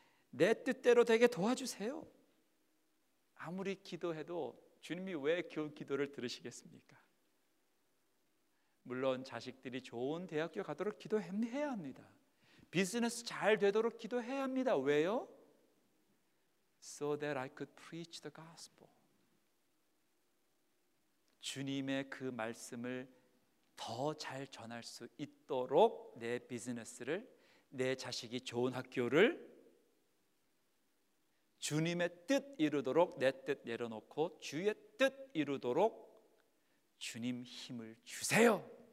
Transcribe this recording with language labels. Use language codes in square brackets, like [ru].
[ko] 내 뜻대로 되게 도와주세요. 아무리 기도해도 주님이 왜 그 기도를 들으시겠습니까? 물론 자식들이 좋은 대학교 가도록 기도해야 합니다. 비즈니스 잘 되도록 기도해야 합니다. 왜요? [en] So that I could preach the gospel. [ko] 주님의 그 말씀을 더 잘 전할 수 있도록 내 비즈니스를, 내 자식이 좋은 학교를 주님의 뜻 이루도록, 내 뜻 내려놓고 주의 뜻 이루도록 주님 힘을 주세요.